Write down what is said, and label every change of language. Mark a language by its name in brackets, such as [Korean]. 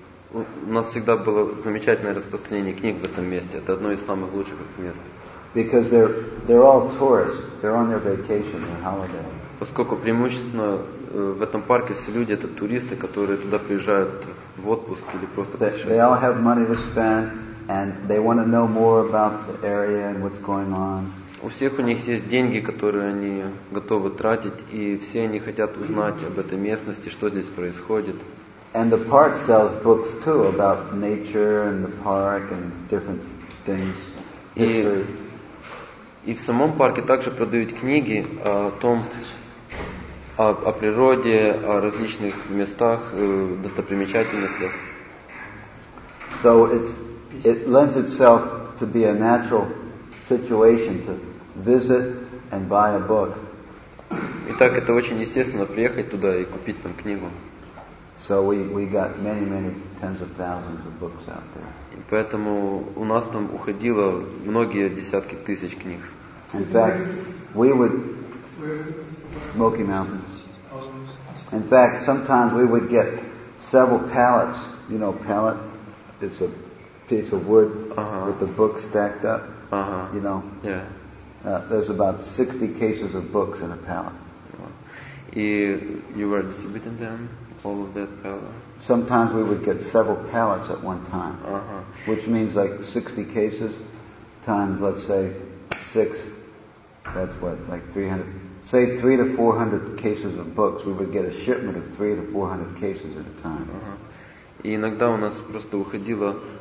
[Russian] У нас всегда было замечательное распространение книг в этом месте. Это одно из самых лучших мест. [English] Because they're all tourists. They're on their vacation, their holiday. [Russian] Поскольку преимущественно в этом парке все люди это туристы, которые туда приезжают в отпуск или просто путешествуют. [English] They all have money to spend, and they want to know more about the area and what's going on. [Russian] У всех у них есть деньги, которые они готовы тратить, и все они хотят узнать об этой местности, что здесь происходит. [English] And the park sells books too about nature and the park and different things. [Russian] И в самом парке также продают книги о том, о природе, о различных местах, достопримечательностях. [English] So it lends itself to be a natural situation to visit and buy a book. [Russian] Итак, это очень естественно приехать туда и купить там книгу. [English] So we got many, many tens of thousands of books out there. [Russian] И поэтому у нас там уходило многие десятки тысяч книг. [English] In fact, we would Smoky Mountains. In fact, sometimes we would get several pallets. You know, pallet. It's a piece of wood with the books stacked up. You know. Yeah. There's about 60 cases of books in a pallet. You were distributing them, all of that pallet? Sometimes we would get several pallets at one time, which means like 60 cases times, let's say, 6, that's what, like 300, say 300 to 400 cases of books, we would get a shipment of 300 to 400 cases at a time. [Russian] И иногда у нас просто уходило...